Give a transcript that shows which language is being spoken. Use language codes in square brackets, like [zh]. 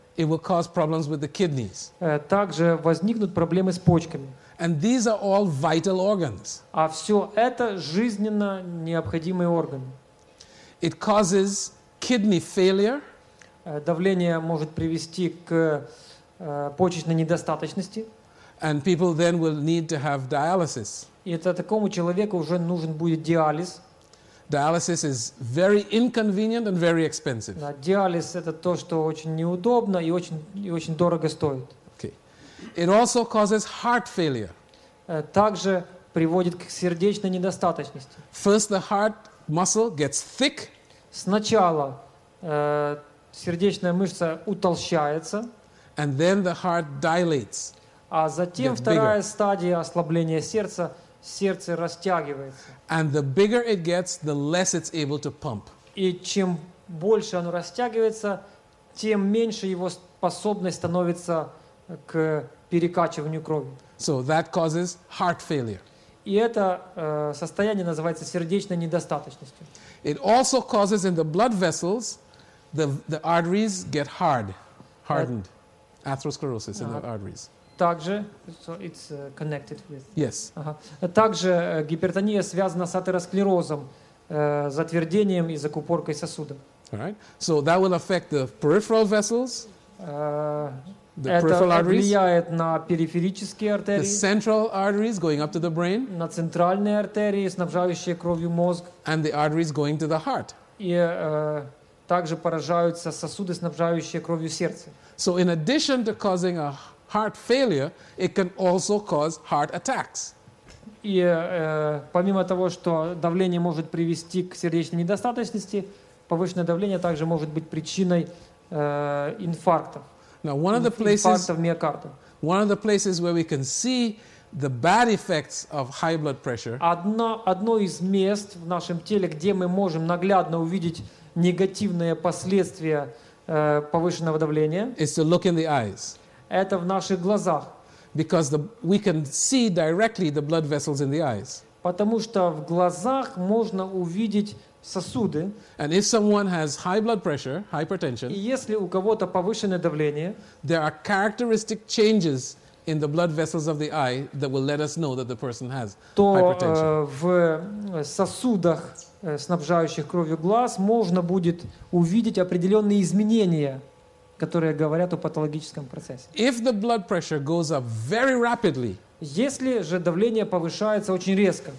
[en] It will cause problems with the kidneys. [ru] Также возникнут проблемы с почками. [en] And these are all vital organs. [ru] А все это жизненно необходимые органы. [en] It causes kidney failure. [ru] Давление может привести к почечной недостаточности. [en] And people then will need to have dialysis. [ru] И это такому человеку уже нужен будет диализ. [en] Dialysis is very inconvenient and very expensive. [ru] Да, диализ это то, что очень неудобно и очень дорого стоит. [en] Okay. It also causes heart failure. [ru] Также приводит к сердечной недостаточности. [en] First the heart muscle gets thick. [ru] Сначала сердечная мышца утолщается. [en] And then the heart dilates. [ru] А затем вторая стадия ослабления сердца, сердце растягивается. [en] And the bigger it gets, the less it's able to pump. [ru] И чем больше оно растягивается, тем меньше его способность становится к перекачиванию крови. [en] So that causes heart failure. [ru] И это состояние называется сердечной недостаточностью. [en] It also causes in the blood vessels, the arteries get hard, hardened. Atherosclerosis in the arteries. [ru] Также, [en] so it's connected with. Yes. [ru] Также гипертония связана с атеросклерозом, затвердением и закупоркой сосудов. [en] All right. So that will affect the peripheral vessels. [ru] Это влияет на периферические артерии. [en] The central arteries going up to the brain. [ru] На центральные артерии, снабжающие кровью мозг. [en] And the arteries going to the heart. [ru] И также поражаются сосуды, снабжающие кровью сердце. [en] So in addition to causing a heart failure, it can also cause heart attacks. [ru] И помимо того, что давление может привести к сердечной недостаточности, повышенное давление также может быть причиной инфаркта. [en] Now, one of the places, [ru] инфаркта миокарда. [en] One of the places where we can see the bad effects of high blood pressure. [ru] Одно из мест в нашем теле, где мы можем наглядно увидеть негативные последствия повышенного давления. [en] Is to look in the eyes. [ru] Это в наших глазах. [en] Because we can see directly the blood vessels in the eyes. [ru] Потому что в глазах можно увидеть сосуды. [en] And if someone has high blood pressure, hypertension, [ru] и если у кого-то повышенное давление, [en] there are characteristic changes in the blood vessels of the eye that will let us know that the person has [ru] то, [en] hypertension. [ru] В сосудах, снабжающих кровью глаз, можно будет увидеть определенные изменения, которые говорят о патологическом процессе. [en] If the blood pressure goes up very rapidly, [ru] если же давление повышается очень резко,